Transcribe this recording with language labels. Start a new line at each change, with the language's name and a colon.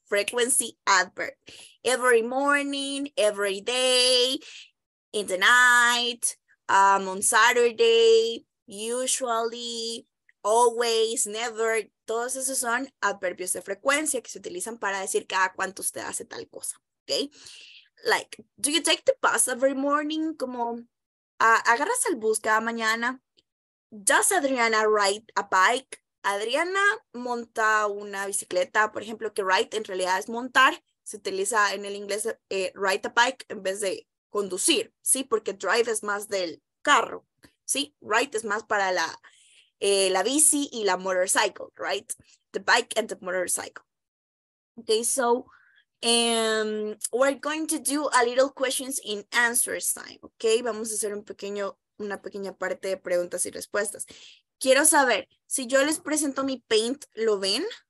English: Frequency adverb. Every morning, every day, in the night, on Saturday, usually, always, never.
Spanish: Todos esos son adverbios de frecuencia que se utilizan para decir cada cuánto usted hace tal cosa.
English: Okay? Like, do you take the bus every morning?
Spanish: Como, ¿agarras el bus cada mañana?
English: Does Adriana ride a bike?
Spanish: Adriana monta una bicicleta, por ejemplo, que ride en realidad es montar. Se utiliza en el inglés ride a bike en vez de conducir, ¿sí? Porque drive es más del carro, ¿sí? Ride es más para la bici y la motorcycle, right?
English: The bike and the motorcycle. Okay, so we're going to do a little questions and answers time, okay?
Spanish: Vamos a hacer una pequeña parte de preguntas y respuestas. Quiero saber, si yo les presento mi paint, ¿lo ven?